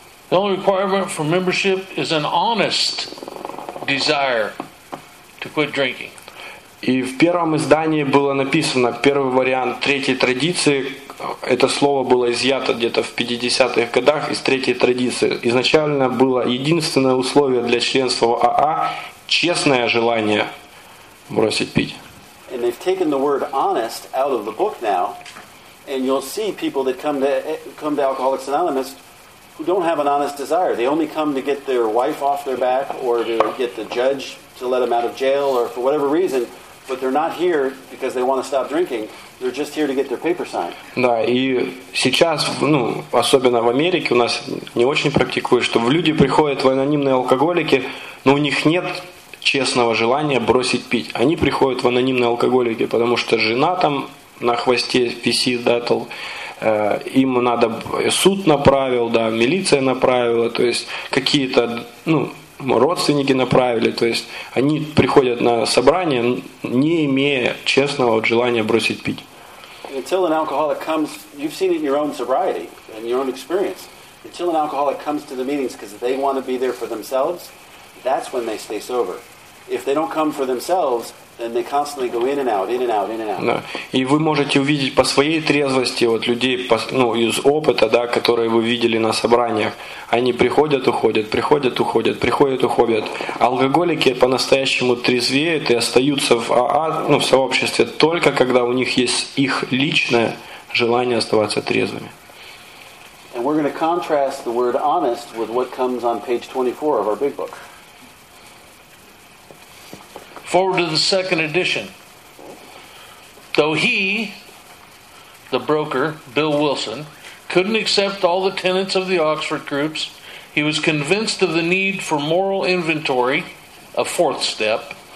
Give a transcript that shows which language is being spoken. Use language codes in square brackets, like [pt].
[en] The only requirement for membership is an honest desire to quit drinking. [ru] И в первом издании было написано, первый вариант третьей традиции, это слово было изъято где-то в 50-х годах из третьей традиции. Изначально было единственное условие для членства в АА – честное желание бросить пить. [en] And they've taken the word honest out of the book now, and you'll see people that come to Alcoholics Anonymous who don't have an honest desire. They only come to get their wife off their back or to get the judge to let them out of jail or for whatever reason, but they're not here because they want to stop drinking. They're just here to get their paper signed. [ru] Да, и сейчас, особенно в Америке, у нас не очень практикуют, что в люди приходят в анонимные алкоголики, но у них нет честного желания бросить пить. Они приходят в анонимные алкоголики, потому что жена там на хвосте висит, им надо, суд направил, да, милиция направила, то есть какие-то, родственники направили, то есть они приходят на собрание, не имея честного желания бросить пить. [en] Until an alcoholic comes, you've seen it in your own sobriety and your own experience. Until an alcoholic comes to the meetings because they want to be there for themselves, that's when they stay sober. If they don't come for themselves, and they constantly go in and out, in and out, in and out. [ru] Да. И вы можете увидеть по своей трезвости вот людей, из опыта, да, которые вы видели на собраниях. Они приходят, уходят, приходят, уходят, приходят, уходят. Алкоголики по-настоящему трезвеют и остаются в АА, в сообществе только когда у них есть их личное желание оставаться трезвыми. [en] And we're going to contrast the word honest with what comes on page 24 of our big book. Forward to the second edition. Though he, the broker, Bill Wilson, couldn't accept all the tenets of the Oxford groups, he was convinced of the need for moral inventory, a fourth step,